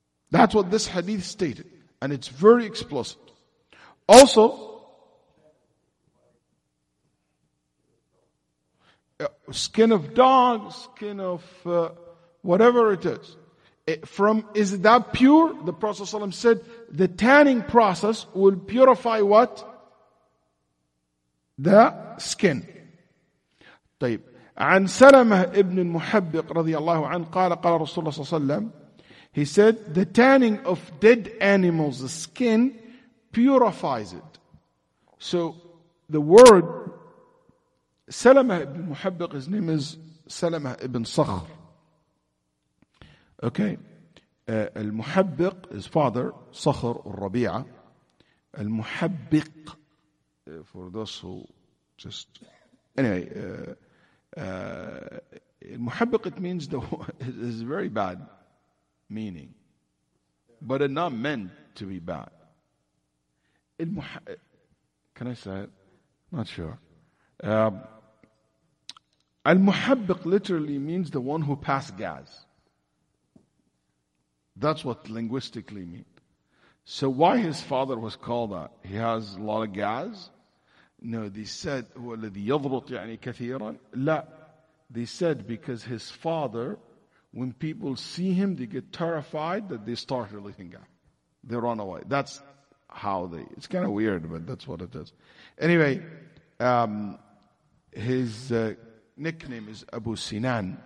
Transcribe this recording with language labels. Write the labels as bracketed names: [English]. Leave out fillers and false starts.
[English] That's what this hadith stated. And it's very explicit. Also, skin of dog, skin of whatever it is. Is that pure? The Prophet ﷺ said, the tanning process will purify what? The skin. طيب. [Arabic] عن سلمة ابن المحبق رضي الله عنه قال قال رسول الله صلى الله عليه وسلم [English] he said the tanning of dead animals skin purifies it. So the word سلمة ابن المحبق, his name is سلمة ابن صخر. Okay. المحبق, his father صخر الربيعة المحبق, for those who just anyway, المحبق, it means it is very bad meaning, but it not meant to be bad. Can I say it? Not sure. المحبق literally means the one who passed gas. That's what linguistically mean. So why his father was called that? He has a lot of gas? No, they said, [Arabic] وَالَّذِي يَضْرُطْ يَعْنِي كَثِيرًا لَا. [English] They said because his father, when people see him, they get terrified that they start releasing gas. They run away. That's how they, it's kind of weird, but that's what it is. Anyway, his nickname is Abu Sinan.